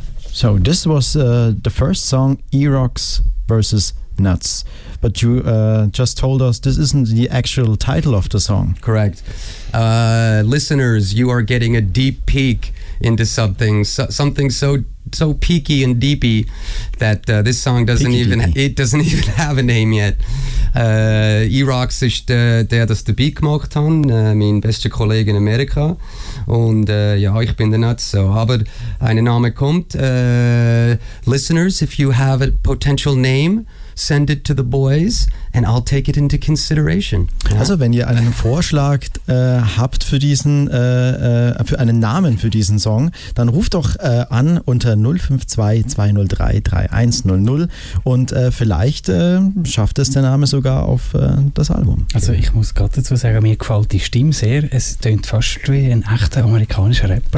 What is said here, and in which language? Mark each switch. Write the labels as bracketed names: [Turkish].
[English] So this was the first song, E-Rocks versus Nuts. But you just told us this isn't the actual title of the song. Correct. Listeners, you are getting a deep peek into something. So peaky and deepy that this song doesn't peaky even deepy. It doesn't even have a name yet. [German] E-Rocks ist der das den Beat gemacht hat, mein bester Kollege in Amerika. Und ja, ich bin der Nuts, so. Aber ein Name kommt. [English] Listeners, if you have a potential name, send it to the boys and I'll take it into consideration. [German] Ja? Also wenn ihr einen Vorschlag habt für diesen, für einen Namen für diesen Song, dann ruft doch an unter 052 203 3100 und vielleicht schafft es der Name sogar auf das Album. Also ich muss gerade dazu sagen, mir gefällt die Stimme sehr. Es tönt fast wie ein echter amerikanischer Rapper.